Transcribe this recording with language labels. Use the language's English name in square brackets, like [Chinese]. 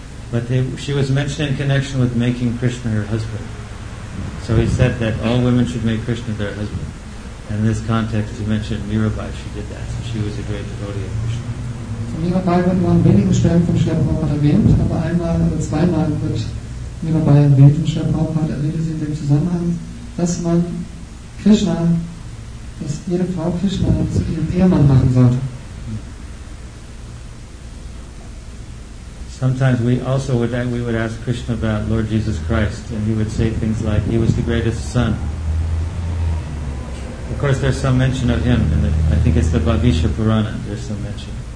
[English] But she was mentioned in connection with making Krishna her husband. So he said that all women should make Krishna their husband. And in this context, he mentioned Mirabai, she did that. So she was a great devotee of Krishna. [German] Mirabai wird nur an wenigen Stellen vom Shri Prabhupada erwähnt, aber einmal oder zweimal wird Mirabai erwähnt und Shri Prabhupada erwähnt sie in dem Zusammenhang, dass man Krishna, dass jede Frau Krishna zu ihrem Ehemann machen sollte. [English] Sometimes we would ask Krishna about Lord Jesus Christ, and he would say things like, he was the greatest son. Of course, there's some mention of him, and I think it's the Bhavisha Purana, there's some mention.